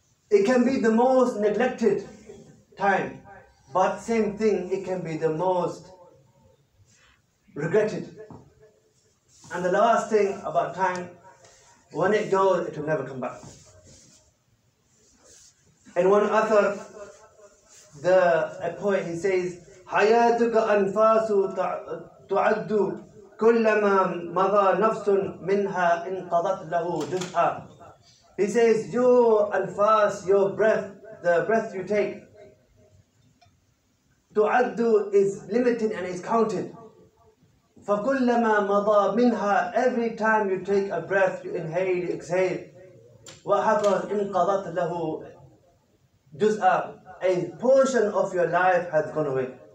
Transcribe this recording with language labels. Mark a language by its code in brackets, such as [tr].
[en] It can be the most neglected time, but same thing, it can be the most regretted. And the last thing about time, when it goes, it will never come back. [ar] And one author, a poet, he says, حياتك أنفاس تعد كلما مضى نفس منها انقضت له جزءا. [en] He says, your anfas, your breath, the breath you take, tu'addu is limited and is counted. [ar] فَكُلَّمَا مَضَى مِنْهَا, [en] every time you take a breath, you inhale, you exhale, [ar] وَحَفَرْ إِنْقَضَتْ لَهُ جُزْءَ, [en] a portion of your life has gone away.